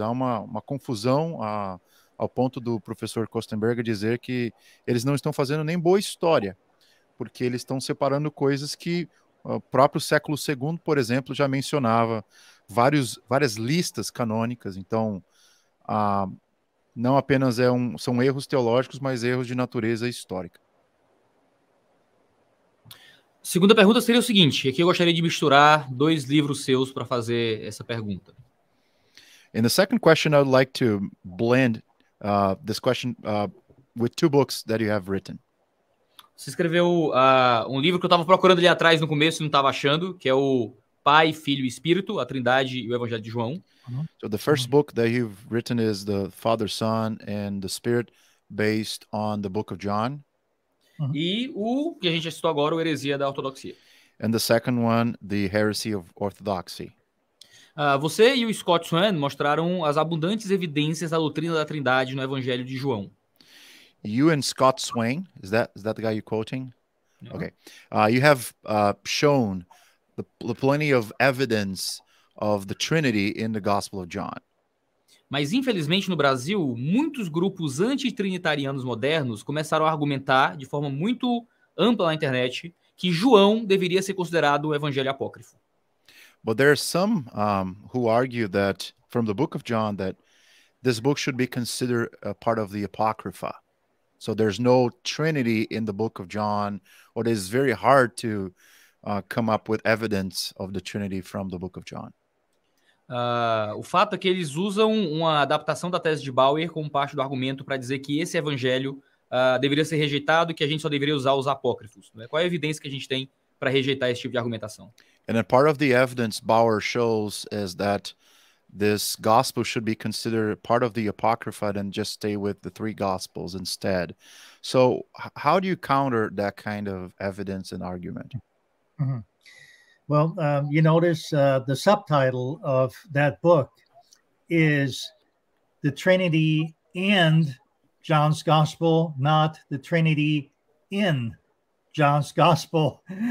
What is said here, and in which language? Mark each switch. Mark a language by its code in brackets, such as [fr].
[pt] Há uma confusão ao ponto do professor Köstenberger dizer que eles não estão fazendo nem boa história, porque eles estão separando coisas que o próprio século II, por exemplo, já mencionava, várias listas canônicas. Então, não apenas são erros teológicos, mas erros de natureza histórica. Segunda pergunta seria o seguinte, aqui eu gostaria de misturar dois livros seus para fazer essa pergunta. [en] In the second question, I would like to blend this question with two books that you have written. [pt] Você escreveu um livro que eu estava procurando ali atrás no começo e não estava achando, que é o Pai, Filho e Espírito, a Trindade e o Evangelho de João. [en] So the first book that you've written is the Father, Son and the Spirit, based on the book of John. [pt] E o que a gente citou agora, o Heresia da Ortodoxia. [en] And the second one, the Heresy of Orthodoxy. [pt] Você e o Scott Swann mostraram as abundantes evidências da doutrina da Trindade no Evangelho de João. [en] You and Scott Swann, is that the guy you're quoting? Yeah. Okay. You have shown the plenty of evidence of the Trinity in the Gospel of John. [pt] Mas, infelizmente, no Brasil, muitos grupos antitrinitarianos modernos começaram a argumentar, de forma muito ampla na internet, que João deveria ser considerado um evangelho apócrifo. [en] But there are some who argue that, from the book of John, that this book should be considered a part of the Apocrypha. So there's no Trinity in the book of John, or it is very hard to come up with evidence of the Trinity from the book of John. [pt] O fato é que eles usam uma adaptação da tese de Bauer como parte do argumento para dizer que esse evangelho deveria ser rejeitado e que a gente só deveria usar os apócrifos. Né? Qual é a evidência que a gente tem para rejeitar esse tipo de argumentação? [en] And a part of the evidence Bauer shows is that this gospel should be considered part of the Apocrypha and just stay with the three gospels instead. So how do you counter that kind of evidence and argument? Mm-hmm. Well, you notice the subtitle of that book is the Trinity and John's Gospel, not the Trinity in John's Gospel.